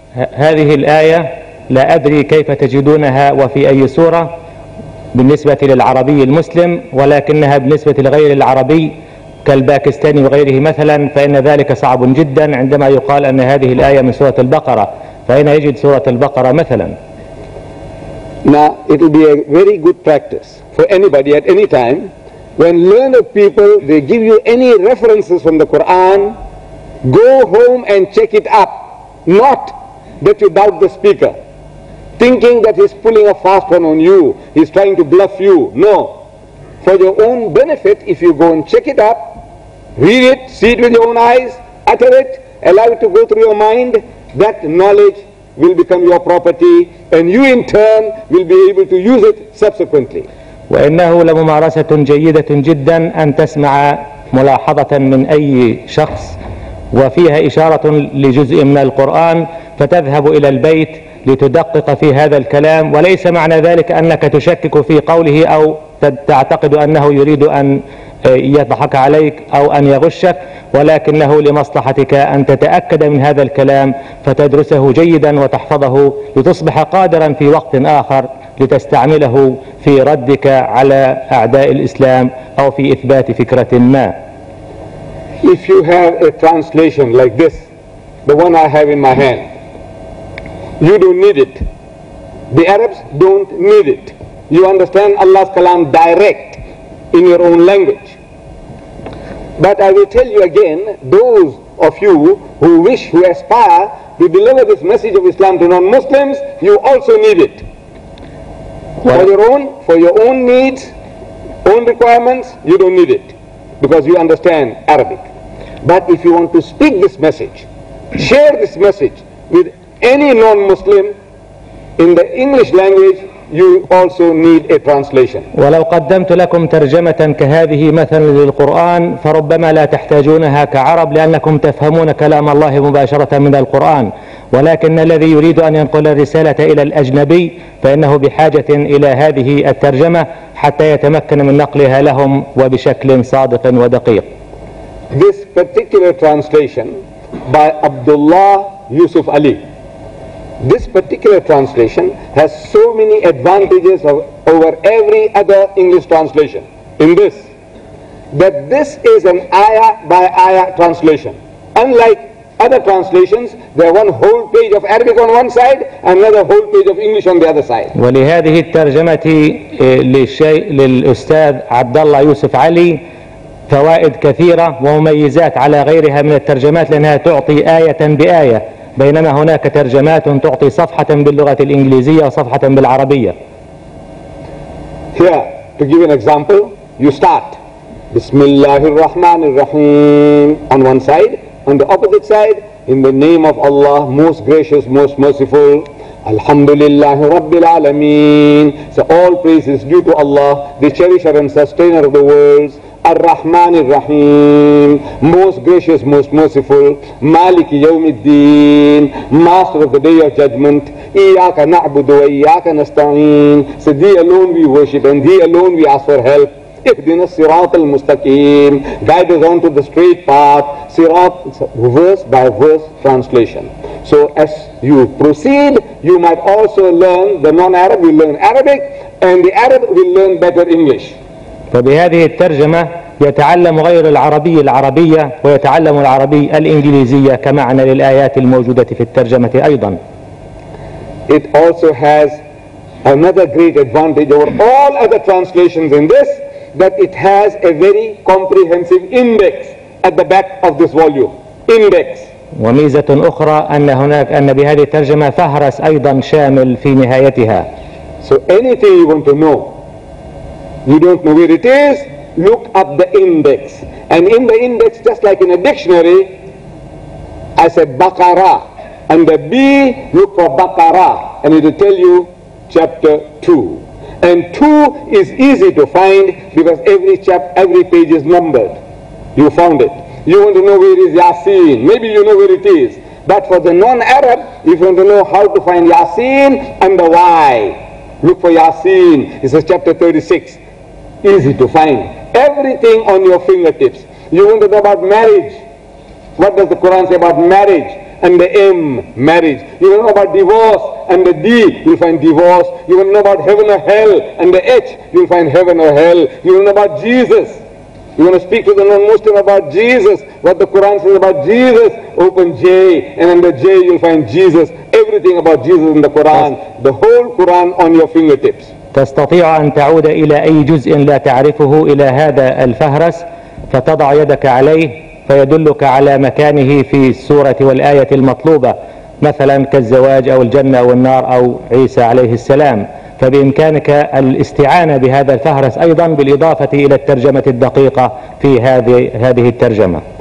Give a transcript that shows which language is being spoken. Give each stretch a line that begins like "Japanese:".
Arabic: هذه الآية لا أدري كيف تجدونها وفي أي سورة بالنسبة للعربي المسلم، ولكنها بالنسبة لغير العربي كالباكستاني وغيره مثلا فإن ذلك صعب جدا عندما يقال أن هذه الآية من سورة البقرة، فإن يجد سورة البقرة مثلا.
English: Now it will be a very good practice for anybody at any time when learned people they give you any references from the Quran, go home and check it up, not that you doubt the speaker thinking that he's pulling a fast one on you, he's trying to bluff you. No. For your own benefit, if you go and check it up, read it, see it with your own eyes, utter it, allow it to go through your mind, that knowledge will become your property and you in turn will be able to use it subsequently.
Arabic: وإنه لممارسة جيدة جدا أن تسمع ملاحظة من أي شخص وفيها إشارة لجزء من القرآن فتذهب إلى البيت لتدقق في هذا الكلام، وليس معنى ذلك أنك تشكك في قوله أو تعتقد أنه يريد أن يضحك عليك أو أن يغشك، ولكنه لمصلحتك أن تتأكد من هذا الكلام فتدرسه جيدا وتحفظه لتصبح قادرا في وقت آخر لتستعمله في ردك على أعداء الإسلام أو في إثبات فكرة ما.
English: If you have a translation like this, the one I have in my hand, you don't need it. The Arabs don't need it. You understand Allah's Kalam direct in your own language. But I will tell you again, those of you who wish, who aspire to deliver this message of Islam to non-Muslims, you also need it. For your own, needs, own requirements, you don't need it because you understand Arabic. But if you want to speak this message, share this message with any non-Muslim in the English language, you also need a translation.
Arabic: ولو قدمت لكم ترجمة كهذه مثلا للقرآن فربما لا تحتاجونها كعرب لأنكم تفهمون كلام الله مباشرة من القرآن، ولكن الذي يريد أن ينقل الرسالة إلى الأجنبي فإنه بحاجة إلى هذه الترجمة حتى يتمكن من نقلها لهم وبشكل صادق ودقيق.
English: This particular translation by Abdullah Yusuf Ali. This particular translation has so many advantages over every other English translation in this, that this is an ayah by ayah translation. Unlike other translations, there are one whole page of Arabic on one side, another whole page of English on the other side.
Arabic: ولهذه الترجمة للأستاذ عبد الله يوسف علي فوائد كثيرة ومميزات على غيرها من الترجمات، لأنها تعطي آية بآية، بينما هناك ترجمات تعطي صفحة باللغة الإنجليزية وصفحة بالعربية.
English: Here, to give an example, you start
Arabic: بسم الله الرحمن الرحيم
English: on one side, on the opposite side, in the name of Allah, most gracious, most merciful,
Arabic: الحمد لله رب العالمين.
English: So all praise is due to Allah, the cherisher and sustainer of the worlds.
Arabic: الرحمن الرحيم,
English: most gracious, most merciful,
Arabic: مالك يوم الدين,
English: master of the day of judgment,
Arabic: إياك نعبد وإياك نستعين.
English: So thee alone we worship and thee alone we ask for help.
Arabic: اهدنا الصراط المستقيم,
English: guide us on to the straight path. صراط, verse by verse translation. So as you proceed, you might also learn, the non-Arab will learn Arabic and the Arab will learn better English.
Arabic: فبهذه الترجمة يتعلم غير العربي العربية ويتعلم العربي الإنجليزية كمعنى للآيات الموجودة في الترجمة أيضا.
English: It also has another great advantage over all other translations in this, that it has a very comprehensive index at the back of this volume. Index.
Arabic: وميزة أخرى أن هناك أن بهذه الترجمة فهرس أيضا شامل في نهايتها.
English: So anything you want to know, you don't know where it is, look up the index. And in the index, just like in a dictionary, I said Baqarah. And the B, look for Baqarah. And it will tell you chapter 2. And 2 is easy to find because every page is numbered. You found it. You want to know where is Yasin. Maybe you know where it is. But for the non-Arab, if you want to know how to find Yasin and the Y, look for Yasin. It says chapter 36. Easy to find. Everything on your fingertips. You wonder about marriage, What does the Quran say about marriage? And the M, marriage. You will know about divorce. And the D, you'll find divorce. You will know about heaven or hell. And the H, you'll find heaven or hell. You will know about Jesus. You want to speak to the non-Muslim about Jesus. What the Quran says about Jesus. Open J, and under J, you'll find Jesus. Everything about Jesus in the Quran. The whole Quran on your fingertips.
Arabic: تستطيع أن تعود إلى أي جزء لا تعرفه إلى هذا الفهرس فتضع يدك عليه فيدلك على مكانه في السورة والآية المطلوبة مثلا كالزواج أو الجنة أو النار أو عيسى عليه السلام فبإمكانك الاستعانة بهذا الفهرس أيضا بالإضافة إلى الترجمة الدقيقة في هذه الترجمة.